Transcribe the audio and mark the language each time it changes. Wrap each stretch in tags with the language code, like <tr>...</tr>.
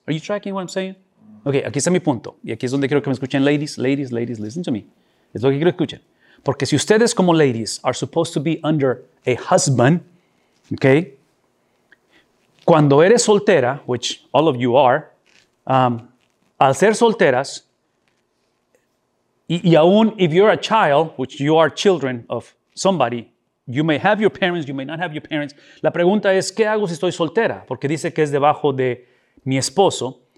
<en>Are you tracking what I'm saying? Okay,</en> <es>aquí está mi punto. Y aquí es donde quiero que me escuchen, ladies,</es> <en>listen to me.</en> <es>Es lo que quiero que escuchen. Porque si ustedes como</es> <en>ladies are supposed to be under a husband, okay,</en> <es>cuando eres soltera,</es> <en>which all of you are,</en> <es>al ser solteras, y aún</es> <en>if you're a child, which you are children of somebody, you may have your parents, you may not have your parents.</en> <es>La pregunta es, ¿qué hago si estoy soltera? Porque dice que es debajo de mi esposo.</es>